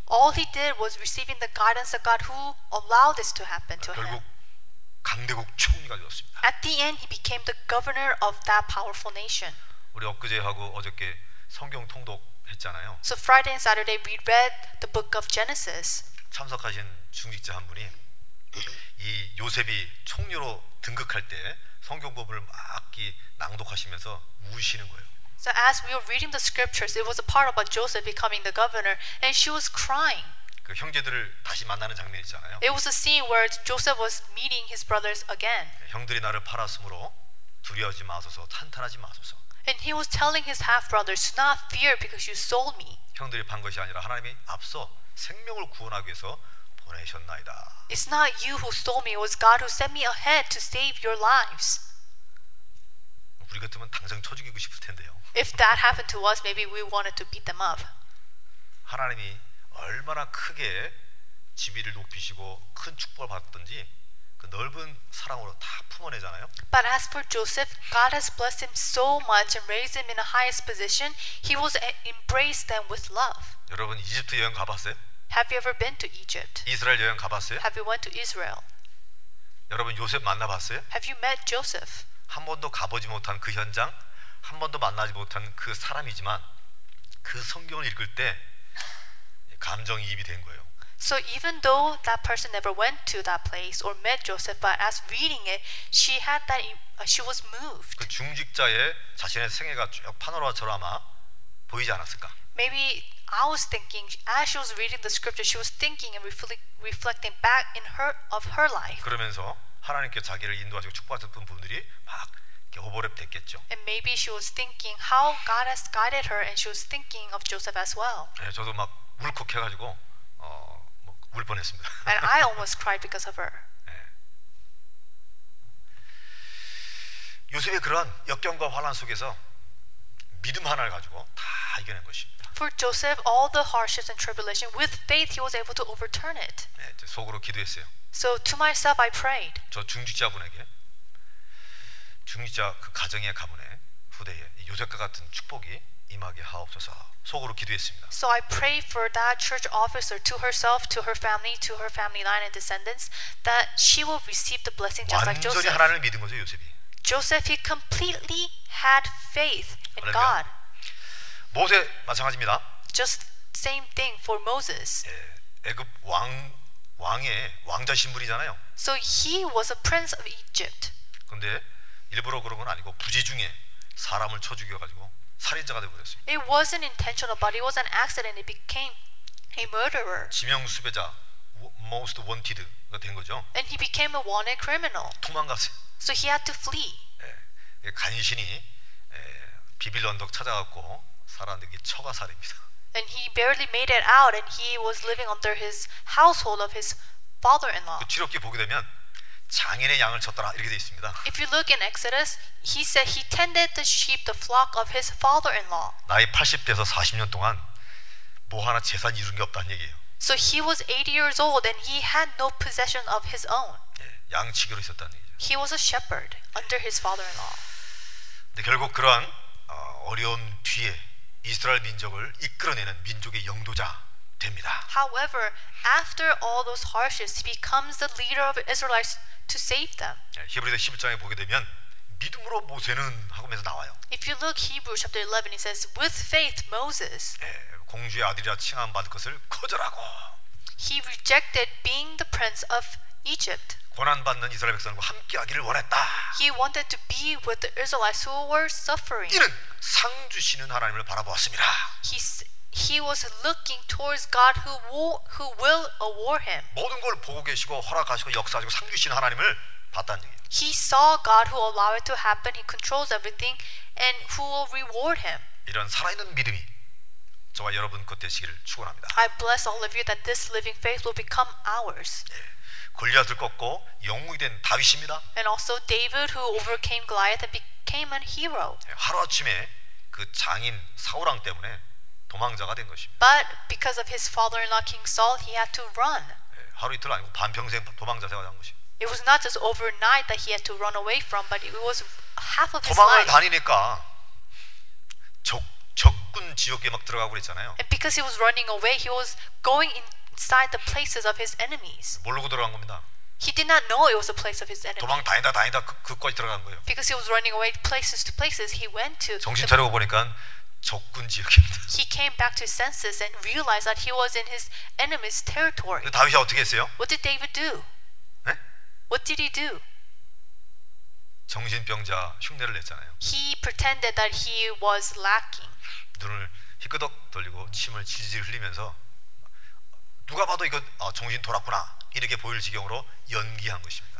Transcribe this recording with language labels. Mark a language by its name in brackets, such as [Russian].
[English] All he did was receiving the guidance of God who allowed this to happen to him. [Korean] 강대국 총리가 되었습니다. [English] At the end, he became the governor of that powerful nation. [Korean] 우리 엊그제하고 어저께 성경 통독했잖아요. [English] So Friday and Saturday, we read the book of Genesis. [Korean] 참석하신 중직자 한 분이 이 요셉이 총리로 등극할 때 성경법을 막 낭독하시면서 우시는 거예요. [English] So as we were reading the scriptures, it was a part about Joseph becoming the governor, and she was crying. [Korean] 그 형제들을 다시 만나는 장면 있잖아요. [English] It was a scene where Joseph was meeting his brothers again. [Korean] 형들이 나를 팔았으므로 두려워하지 마소서, 탄탄하지 마소서. [English] And he was telling his half brothers, "Do not fear because you sold me." [Korean] 형들이 판 것이 아니라 하나님이 앞서 생명을 구원하기 위해서 보내셨나이다. [English] It's not you who sold me; it was God who sent me ahead to save your lives. [Korean] 우리 같으면 당장 쳐 죽이고 싶을 텐데요. [English] If that happened to us, maybe we wanted to beat them up. [Korean] 하나님이 얼마나 크게 지위를 높이시고 큰 축복을 받았던지 그 넓은 사랑으로 다 품어내잖아요. [English] But as for Joseph, God has blessed him so much and raised him in the highest position. He was embraced them with love. [Korean] 여러분 이집트 여행 가봤어요? [English] Have you ever been to Egypt? [Korean] 이스라엘 여행 가봤어요? [English] Have you went to Israel? [Korean] 여러분 요셉 만나봤어요? [English] Have you met Joseph? [Korean] 한 번도 가보지 못한 그 현장, 한 번도 만나지 못한 그 사람이지만 그 성경을 읽을 때 감정이입이 된 거예요. [English] So even though that person never went to that place or met Joseph, but as reading it, she had that she was moved. [Korean] 그 중직자의 자신의 생애가 쭉 파노라마처럼 보이지 않았을까? [English] Maybe I was thinking as she was reading the scripture, she was thinking and reflecting back in her of her life. [Korean] 그러면서 하나님께 자기를 인도하시고 축복하셨던 분들이 막 오버랩 됐겠죠. [English] And maybe she was thinking how God has guided her, and she was thinking of Joseph as well. [Korean] 네, 저도 막 울컥해가지고 울 뻔했습니다. [English] And I almost cried because of her. [Korean] 네. 요셉의 그러한 역경과 환난 속에서 믿음 하나를 가지고 다 이겨낸 것입니다. [English] For Joseph, all the hardships and tribulation, with faith, he was able to overturn it. [Korean] 네, 속으로 기도했어요. [English] So to myself, I prayed. [Korean] 저 중직자분에게. 중직자 그 가정의 가문에 후대에 요셉과 같은 축복이 임하게 하옵소서 속으로 기도했습니다. [English] So I pray for that church officer to herself, to her family line and descendants that she will receive the blessing just like Joseph. [Korean] 완전히 하나님을 믿은 거죠 요셉이. [English] Joseph he completely had faith in God. [Korean] 모세 마찬가지입니다. [English] Just same thing for Moses. [Korean] 예, 애굽 왕의 왕자 신분이잖아요. [English] So he was a prince of Egypt. [Korean] 그런데 일부러 그런 건 아니고 부재중에 사람을 쳐 죽여가지고 살인자가 되어버렸어요. [English] It wasn't intentional, but it was an accident. It became a murderer. [Korean] 지명수배자, most wanted가 된 거죠. [English] And he became a wanted criminal. [Korean] 도망갔어요. [English] So he had to flee. [Korean] 예, 간신히 예, 비빌론 덕 찾아갖고 살아남기 처가살입니다. [English] And he barely made it out, and he was living under his household of his father-in-law. [Korean] 그 출애굽기 보게 되면. 장인의 양을 쳤더라 이렇게 돼 있습니다. [English] If you look in Exodus, he said he tended the sheep, the flock of his father-in-law. [Korean] 나이 80대에서 40년 동안 뭐 하나 재산 이룬 게 없다는 얘기예요. [English] So he was 80 years old and he had no possession of his own. [Korean] 예, 양치기로 있었다는 얘기죠. [English] He was a shepherd under his father-in-law. [Korean] 근데 결국 그러한 어려운 뒤에 이스라엘 민족을 이끌어내는 민족의 영도자 됩니다. [English] However, after all those hardships, he becomes the leader of Israelites to save them. [Korean] 히브리서 11장에 보게 되면 믿음으로 모세는 하고면서 나와요. [English] If you look Hebrews chapter 11, it says, "With faith, Moses." [Korean] 예, 공주의 아들이라 칭함 받을 것을 거절하고. [English] He rejected being the prince of Egypt. [Korean] 고난 받는 이스라엘 백성과 함께하기를 원했다. [English] He wanted to be with the Israelites who were suffering. [Korean] 이는 상 주시는 하나님을 바라보았습니다. [English] He was looking towards God who will award him. [Korean] 모든 걸 보고 계시고 허락하시고 역사하시고 상 주신 하나님을 봤다는 얘기예요. [English] He saw God who allowed it to happen. He controls everything and who will reward him. [Korean] 이런 살아있는 믿음이 저와 여러분 것 되시기를 축원합니다. [English] I bless all of you that this living faith will become ours. [Korean] 예, 골리앗을 꺾고 영웅이 된 다윗입니다. [English] And also David who overcame Goliath and became a hero. [Korean] 예, 하루아침에 그 장인 사울왕 때문에 도망자가 된 것입니다. [English] But because of his father-in-law King Saul, he had to run. [Korean] 예, 하루 이틀 아니고 반 평생 도망자 생활한 것입니다. [English] It was not just overnight that he had to run away from, but it was half of his life. [Korean] 도망을 다니니까 적군 지역에 막 들어가고 그랬잖아요. [English] And because he was running away, he was going inside the places of his enemies. [Korean] 모르고 들어간 겁니다. [English] He did not know it was a place of his enemy. [Korean] 도망 다니다 그곳까지 들어간 거예요. [English] Because he was running away places to places, he went to. [Korean] 정신 차리고 보니까. 적군 지역입니다. [English] He came back to his senses and realized that he was in his enemy's territory. [Korean] 다윗이 어떻게 했어요? [English] What did David do? [Korean] 네? [English] What did he do? [Korean] 정신병자 흉내를 냈잖아요. [English] He pretended that he was lacking. [Korean] 눈을 희끄덕 돌리고 침을 질질 흘리면서 누가 봐도 이거 정신 돌았구나 이렇게 보일 지경으로 연기한 것입니다.